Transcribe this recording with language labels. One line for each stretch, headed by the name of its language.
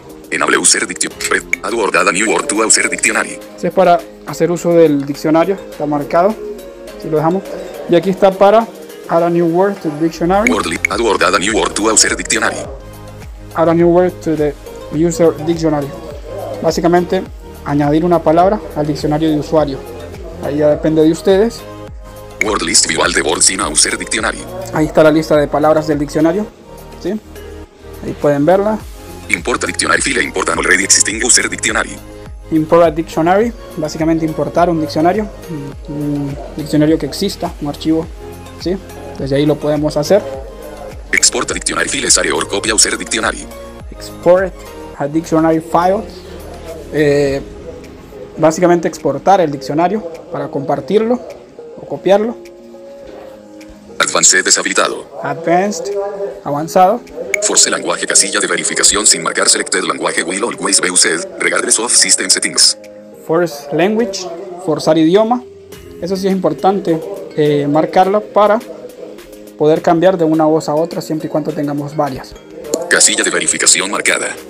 English: Enable user dictionary. Add word, add a new word to user dictionary.
Spanish: Si es para hacer uso del diccionario, está marcado. Si lo dejamos. Y aquí está para
English: add a new word to dictionary. Wordly, add word, add a new word to user dictionary. Add a new word to the user dictionary.
Spanish: Básicamente, añadir una palabra al diccionario de usuario. Ahí ya depende de ustedes.
English: Word list view all the words in user dictionary.
Spanish: Ahí está la lista de palabras del diccionario. ¿Sí? Ahí pueden verla.
English: Import a dictionary file, import an already existing user dictionary. Import a dictionary,
Spanish: básicamente importar un diccionario. Un diccionario que exista, un archivo. ¿Sí? Desde ahí lo podemos hacer.
English: Export a dictionary file, sare or copy user dictionary. Export a dictionary file.
Spanish: Básicamente exportar el diccionario para compartirlo o copiarlo. Advanced deshabilitado. Advanced, avanzado. Force language, casilla de verificación sin marcar.
English: Selected language will always be used regardless of system settings.
Spanish: Force language, forzar idioma. Eso sí es importante marcarlo para poder cambiar de una voz a otra siempre y cuando tengamos varias. Casilla de verificación marcada.